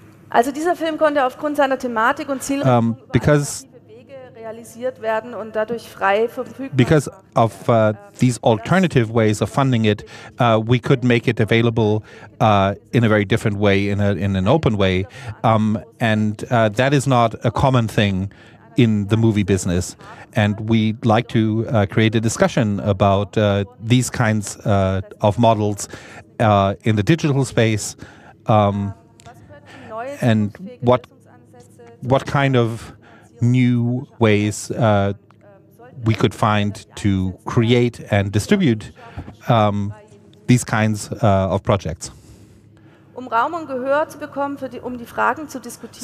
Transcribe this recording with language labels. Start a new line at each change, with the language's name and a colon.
German: Also dieser Film konnte aufgrund seiner Thematik und Zielrichtung realisiert werden und dadurch frei verfügbar.
English: Because of these alternative ways of funding it, we could make it available in a very different way, in an open way, and that is not a common thing in the movie business. And we'd like to create a discussion about these kinds of models in the digital space. And what kind of new ways we could find to create and distribute these kinds of projects.
German: Um Raum und Gehör zu bekommen für die, um die Fragen zu diskutieren.